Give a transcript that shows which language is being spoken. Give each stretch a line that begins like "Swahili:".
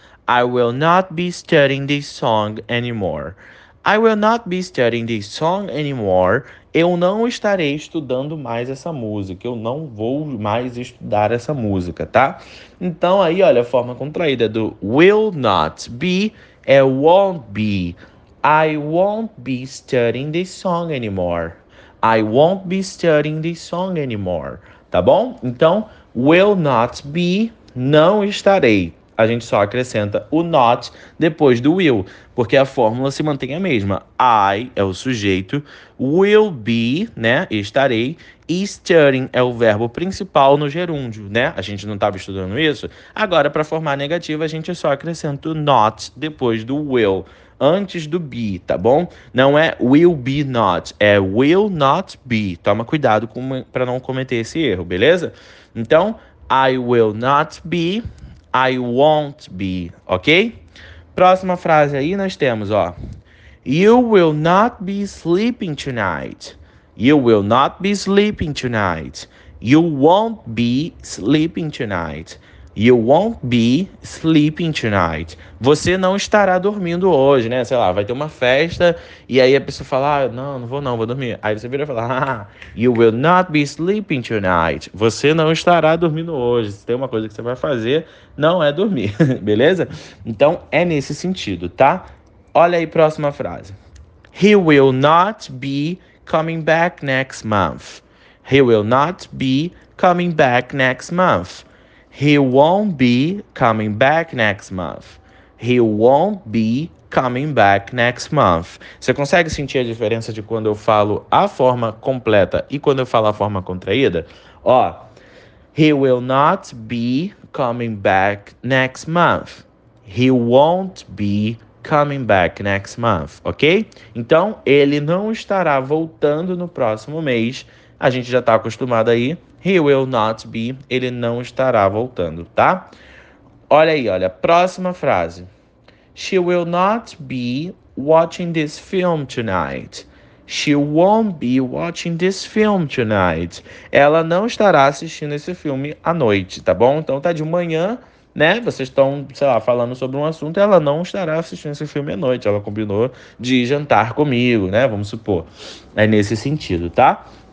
English: I will not be studying this song anymore. I will not be studying this song anymore.
Portuguese: Eu não estarei estudando mais essa música. Eu não vou mais estudar essa música, tá? Então, aí, olha, a forma contraída do will not be é won't be.
English: I won't be studying this song anymore. I won't be studying this song anymore.
Portuguese: Tá bom? Então, will not be, não estarei. A gente só acrescenta o not depois do will, porque a fórmula se mantém a mesma. I é o sujeito, will be, né, estarei, e studying é o verbo principal no gerúndio, né? A gente não estava estudando isso. Agora, para formar a negativa, a gente só acrescenta o not depois do will, antes do be, tá bom? Não é will be not, é will not be. Toma cuidado para não cometer esse erro, beleza? Então,
English: I will not be, I won't be, ok?
Portuguese: Próxima frase aí nós temos, ó.
English: You will not be sleeping tonight. You will not be sleeping tonight. You won't be sleeping tonight. You won't be sleeping tonight.
Portuguese: Você não estará dormindo hoje, né? Sei lá, vai ter uma festa e aí a pessoa fala: ah, não, não vou não, vou dormir. Aí você vira e fala: ah,
English: you will not be sleeping tonight.
Portuguese: Você não estará dormindo hoje. Se tem uma coisa que você vai fazer, não é dormir, beleza? Então é nesse sentido, tá? Olha aí, próxima frase.
English: He will not be coming back next month. He will not be coming back next month. He won't be coming back next month. He won't be coming back next month.
Portuguese: Você consegue sentir a diferença de quando eu falo a forma completa e quando eu falo a forma contraída?
English: Ó, he will not be coming back next month. He won't be coming back next month, ok?
Portuguese: Então, ele não estará voltando no próximo mês. A gente já está acostumado aí.
English: He will not be,
Portuguese: ele não estará voltando, tá? Olha aí, olha, próxima frase.
English: She will not be watching this film tonight. She won't be watching this film tonight.
Portuguese: Ela não estará assistindo esse filme à noite, tá bom? Então tá de manhã, né? Vocês estão, sei lá, falando sobre um assunto e ela não estará assistindo esse filme à noite. Ela combinou de jantar comigo, né? Vamos supor. É nesse sentido, tá?